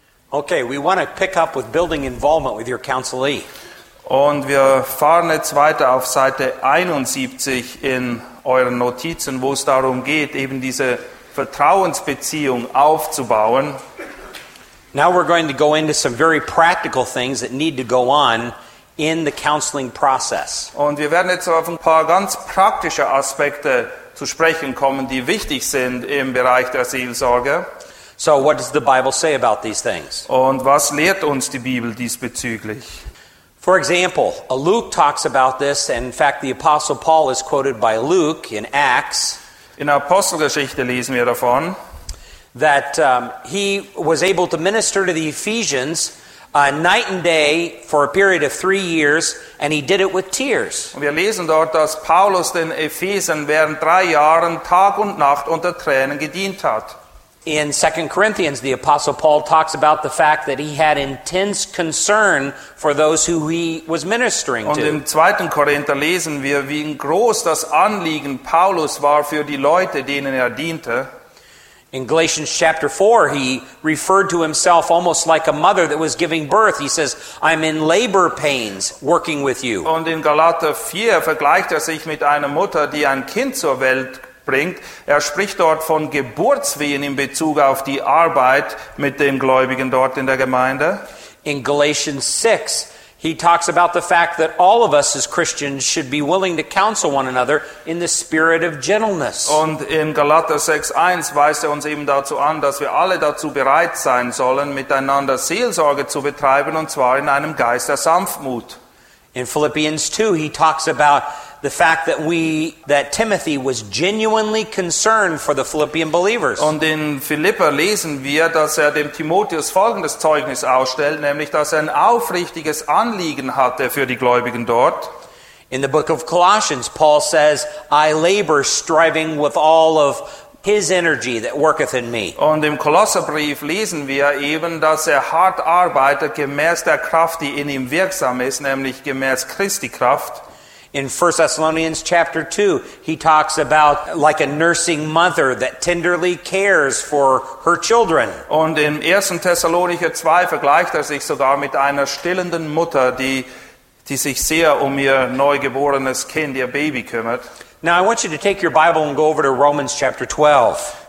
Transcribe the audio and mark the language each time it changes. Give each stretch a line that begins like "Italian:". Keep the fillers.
English: Okay, we want to pick up with building involvement with your counselee.
German: Und wir fahren jetzt weiter auf Seite 71 in euren Notizen, wo es darum geht, eben diese trust aufzubauen.
English: Now we're going to go into some very practical things that need to go on in the counseling process. And
German: Und wir werden jetzt auf ein paar ganz praktische Aspekte zu sprechen kommen, die wichtig sind im Bereich der Seelsorge.
English: So what does the Bible say about these things?
German: Die
English: for example, Luke talks about this and in fact the apostle Paul is quoted by Luke in Acts.
German: In Apostelgeschichte lesen wir davon
English: that um, he was able to minister to the Ephesians uh, night and day for a period of 3 years and he did it with tears.
German: Und wir lesen dort, Paulus den Ephesern während drei Jahren Tag und Nacht unter Tränen gedient hat.
English: In Second Corinthians, the Apostle Paul talks about the fact that he had intense concern for those who he was ministering
German: Und
English: to.
German: Und im 2. Korinther lesen wir, wie groß das Anliegen Paulus war für die Leute, denen
English: In Galatians chapter 4, he referred to himself almost like a mother that was giving birth. He says, I'm in labor pains working with you.
German: Und in Galatians 4 vergleicht er sich
English: to
German: einer Mutter, die ein Kind zur Welt bringt. Er spricht dort von Geburtswehen in Bezug auf die Arbeit mit den Gläubigen dort in der Gemeinde.
English: In Galatians 6 he talks about the fact that all of us as Christians should be willing to counsel one another in the spirit of gentleness.
German: Und in Galater 6:1 weist er uns eben dazu an, dass wir alle dazu bereit sein sollen, miteinander Seelsorge zu betreiben und zwar in einem Geist der Sanftmut.
English: In Philippians 2 he talks about the fact that we that Timothy was genuinely concerned for the Philippian believers.
German: Und in Philippa lesen wir, dass er dem Timotheus folgendes Zeugnis ausstellt, nämlich dass er ein aufrichtiges Anliegen hatte für die Gläubigen dort.
English: In the book of Colossians, Paul says, "I labor, striving with all of." His energy that worketh in me.
German: Und im Kolosserbrief lesen wir eben, dass er hart arbeitet gemäß der Kraft, die in ihm wirksam ist, nämlich gemäß Christi Kraft.
English: In 1 Thessalonians chapter 2, he talks about like a nursing mother that tenderly cares for her children.
German: Und im 1. Thessalonicher 2 vergleicht er sich sogar mit einer stillenden Mutter, die, die sich sehr um ihr neugeborenes Kind, ihr Baby kümmert.
English: Now I want you to take your Bible and go over to Romans chapter 12.